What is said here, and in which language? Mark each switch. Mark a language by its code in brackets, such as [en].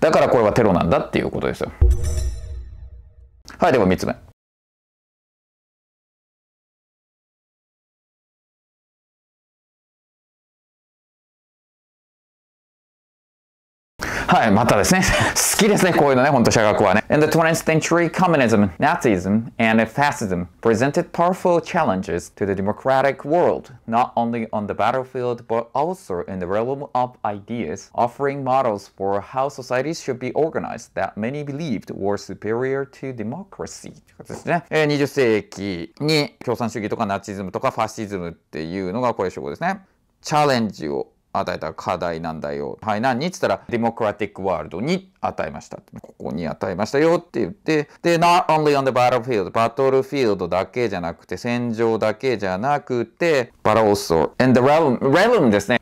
[ja] だからこれはテロなんだっていうことですよ。はい、では3つ目。はい、またですね。好きですね、こういうのね、ほんと、社学はね。 [en] In the 20th century, communism, Nazism, and fascism presented powerful challenges to the democratic world, not only on the battlefield, but also in the realm of ideas, offering models for how societies should be organized that many believed were superior to democracy. [ja] ですね。 20世紀に共産主義とかナチズムとかファシズムっていうのがこれ称号ですね。チャレンジを与えた課題なんだよ。はい、何って言ったら、デモクラティックワールドに与えました。ここに与えましたよって言って、で、 [en] not only on the battlefield、 [ja] バトルフィールドだけじゃなくて、戦場だけじゃなくて、 [en] but also in the realm、 [ja] realm ですね。